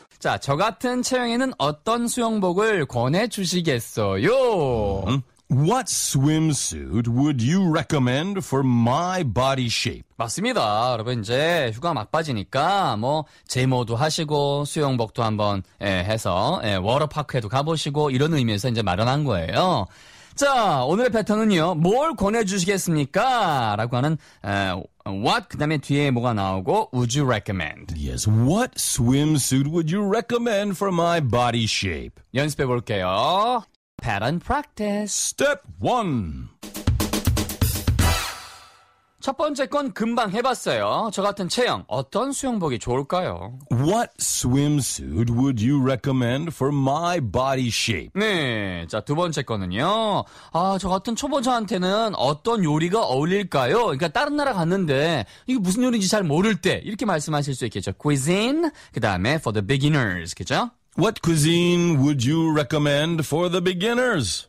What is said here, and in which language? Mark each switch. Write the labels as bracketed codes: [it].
[ko] 자, 저 같은 체형에는 어떤 수영복을 권해주시겠어요? [en] What swimsuit would you recommend for my body shape? [ko] 맞습니다. 여러분 이제 휴가 막바지니까 뭐 제모도 하시고 수영복도 한번 예, 해서 예, 워터파크에도 가보시고 이런 의미에서 이제 마련한 거예요. 자, 오늘의 패턴은요. 뭘 권해주시겠습니까? 라고 하는 what, 그 다음에 뒤에 뭐가 나오고 [en] would you recommend? Yes, what swimsuit would you recommend for my body shape? [ko] 연습해 볼게요. [en] Pattern practice. Step 1. [ko] 첫 번째 건 금방 해봤어요. 저 같은 체형, 어떤 수영복이 좋을까요? [en] What swimsuit would you recommend for my body shape? [ko] 네, 자, 두 번째 거는요. 아, 저 같은 초보자한테는 어떤 요리가 어울릴까요? 그러니까 다른 나라 갔는데 이게 무슨 요리인지 잘 모를 때 이렇게 말씀하실 수 있겠죠. Cuisine, 그 다음에 [en] for the beginners, [ko] 그죠? [en] What cuisine would you recommend for the beginners?